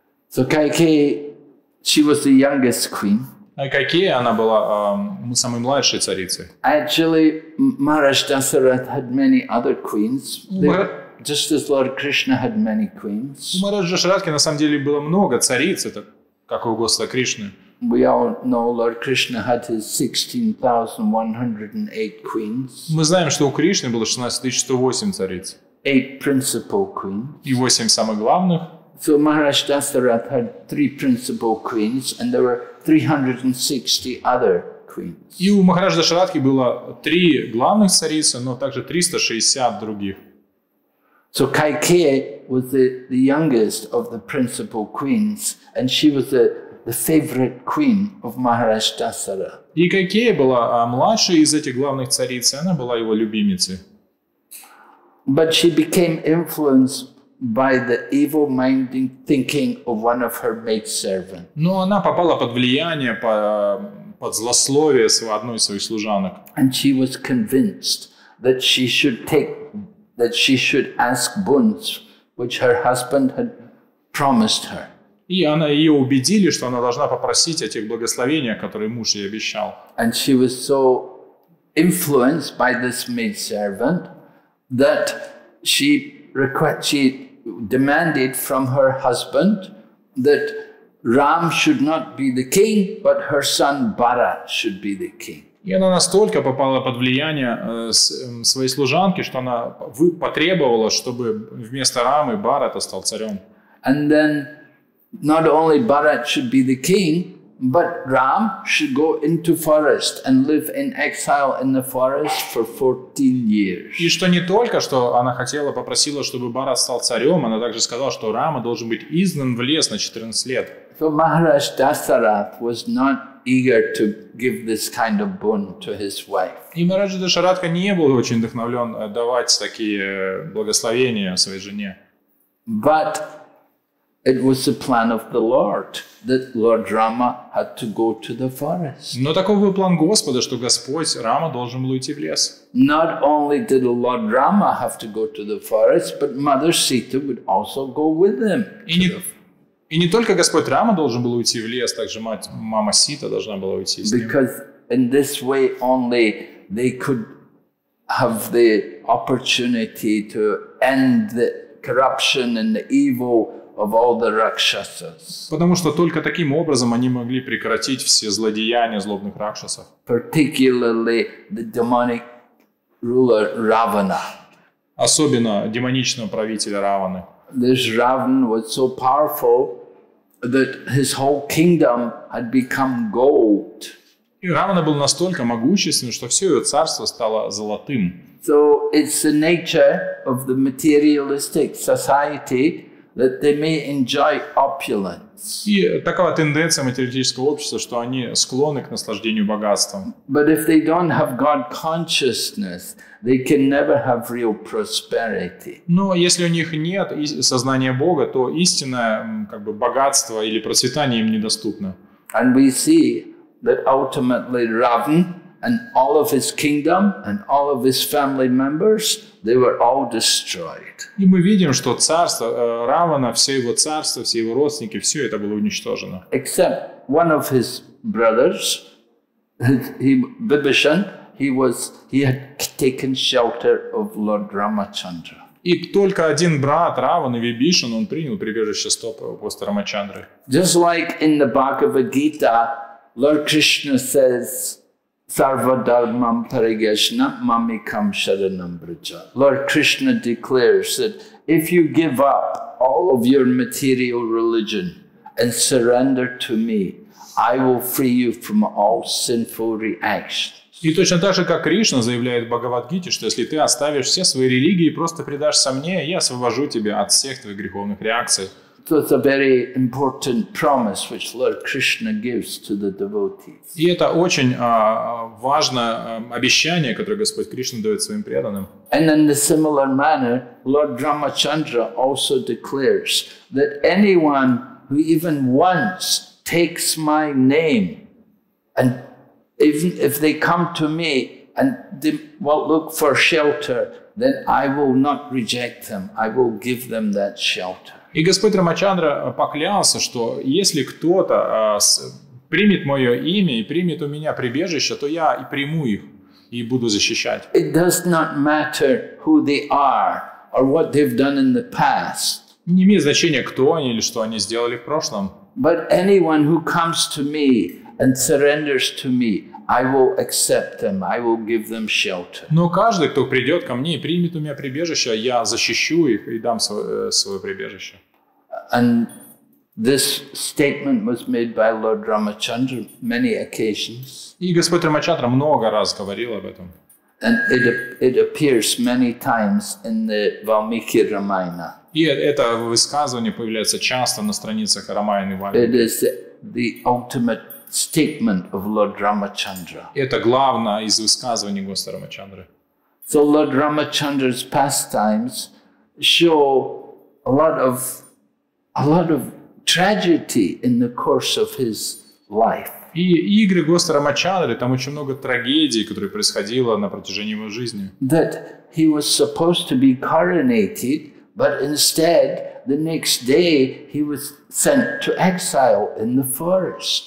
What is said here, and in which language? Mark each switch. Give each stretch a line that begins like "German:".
English: So Кайкеи, she was the youngest queen.
Russian: Какие она была самой младшей царицей?
English: Actually, Maharaj Dasarath had many other queens. Just as Lord Krishna had many queens.
Russian: У Махараджа Дашаратхи на самом деле было много цариц, это как у Господа Кришны.
English: We all know Lord Krishna had his 16,108 queens.
Russian: Мы знаем, что у Кришны было 16,108 цариц.
English: Eight principal queens.
Russian: И 8 самых главных.
English: So Maharaj Dasarath had three principal queens, and there were 360 other queens.
Russian: И у Махараджа Дашаратхи было 3 главных царицы, но также 360 других.
English: So Kaikeyi was the youngest of the principal queens, and she was the favorite queen of Maharaj Dasarath.
Russian: И Кайкея была младшей из этих главных цариц, она была его любимицей.
English: But she became influenced by the evil-minded thinking of one of her maidservants.
Russian: Но она попала под влияние, под злословие одной из своих служанок.
English: And she was convinced that she should take, that she should ask boons, which her husband had promised her.
Russian: И она ее убедили, что она должна попросить о тех благословениях, которые муж ей обещал.
English: And she was so influenced by this maidservant that she demanded from her husband that Ram should not be the king, but her son Bharat should be the king.
Russian: И она настолько попала под влияние своей служанки, что она потребовала, чтобы вместо Рамы Бхарат стал царем.
English: And then not only Bharat should be the king, but Ram should go into forest and live in exile in the forest for 14 years.
Russian: И что не только, что она хотела, попросила, чтобы Бхарат стал царем, она также сказала, что Рама должен быть изгнан в лес на 14 лет.
English: So Maharaj Dasarath was not eager to give this kind of boon to his wife.
Russian: И Махарадж Дашаратха не был очень вдохновлен давать такие благословения своей жене.
English: But it was the plan of the Lord that Lord Rama had to go to the forest.
Russian: Но такой был план Господа, что Господь Рама должен был уйти в лес.
English: Not only did Lord Rama have to go to the forest, but Mother Sita would also go with him.
Russian: И не только Господь Рама должен был уйти в лес, также мама Сита должна была уйти с ним.
English: Because in this way only they could have the opportunity to end the corruption and the evil of all the rakshasas.
Russian: Потому что только таким образом они могли прекратить все злодеяния злобных ракшасов.
English: Particularly the demonic ruler Ravana.
Russian: Особенно демоничного правителя Раваны.
English: This Ravan was so powerful that his whole kingdom had become gold.
Russian: И Равана был настолько могущественным, что все его царство стало золотым.
English: So it's the nature of the materialistic society that they may enjoy opulence.
Russian: И такова тенденция материалистического общества, что они склонны к наслаждению богатством.
English: But if they don't have God consciousness, they can never have real prosperity.
Russian: Но если у них нет сознания Бога, то истинное как бы богатство или процветание им недоступно.
English: And we see that ultimately Ravan and all of his kingdom and all of his family members, they were all destroyed.
Russian: И мы видим, что царство Равана, все его царство, все его родственники, все это было уничтожено.
English: Except one of his brothers, Bibhishan, he had taken shelter of Lord Ramachandra.
Russian: И только один брат Раваны, Вибишан, он принял прибежище стопы после Рамачандры.
English: Just like in the Bhagavad Gita, Lord Krishna says,
Sanskrit: Sarva dharmam parigeshna mamikam sharanam braja.
English: Lord Krishna declares that if you give up all of your material religion and surrender to me, I will free you from all sinful reactions.
Russian: И точно так же, как Кришна заявляет в Бхагавад-гите, что если ты оставишь все свои религии и просто предашься мне, я освобожу тебя от всех твоих греховных реакций.
English: So it's a very important promise which Lord Krishna gives to the devotees.
Russian: И это очень важное обещание, которое Господь Кришна дает своим преданным.
English: And in a similar manner, Lord Ramachandra also declares that anyone who even once takes my name, and even if they come to me and they will look for shelter, then I will not reject them. I will give them that shelter.
Russian: И Господь Рамачандра поклялся, что если кто-то примет мое имя и примет у меня прибежище, то я и приму их и буду защищать.
English: It does not matter who they are or what they've done in the past.
Russian: Не имеет значения, кто они или что они сделали в прошлом.
English: But anyone who comes to me and surrenders to me, I will accept them, I will give them shelter.
Russian: Но каждый, кто придет ко мне и примет у меня прибежище, я защищу их и дам свое прибежище.
English: And this statement was made by Lord Ramachandra many occasions.
Russian: И Господь Рамачандра много раз говорил об этом.
English: And it appears many times in the Valmiki Ramayana.
Russian: И это высказывание появляется часто на страницах Рамаяны и
English: Вальмики. It is the ultimate statement of Lord Ramachandra.
Russian: Это главное из высказываний Господа Рамачандры.
English: So Lord Ramachandra's pastimes show a lot of tragedy in the course of his life.
Russian: И игры Господа Рамачандры, там очень много трагедий, которые происходило на протяжении его жизни.
English: That he was supposed to be coronated, but instead the next day he was sent to exile in the forest.